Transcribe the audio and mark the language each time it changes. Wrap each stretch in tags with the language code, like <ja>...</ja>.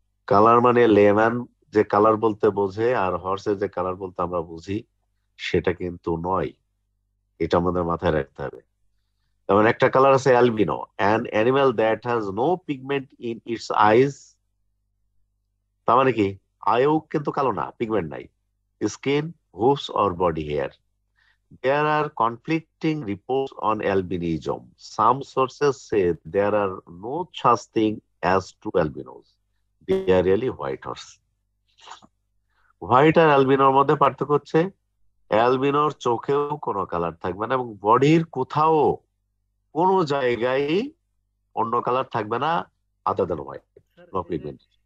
<bn>Colour মানে layman যে colour বলতে বোঝে আর হর্সের যে কালার বলতে আমরা বুঝি সেটা কিন্তু নয়, এটা আমাদের মাথায় রাখতে হবে। যেমন একটা কালার আছে albino,</bn> <en>an animal that has no pigment in its eyes,</en> <bn>তার মানে কি আইও কিন্তু কালো না, পিগমেন্ট নাই, skin hoops or body hair.</bn> <en>There are conflicting reports on albinism. Some sources say there are no such thing as two albinos. They are really white horse. White and albino</en> <bn>এর মধ্যে পার্থক্য হচ্ছে albinoর চোখেও কোনো colour থাকবে না এবং বডির কোথাও কোনো জায়গায় অন্য কালার থাকবে না,</bn> <en>Other than white, no pigment.</en>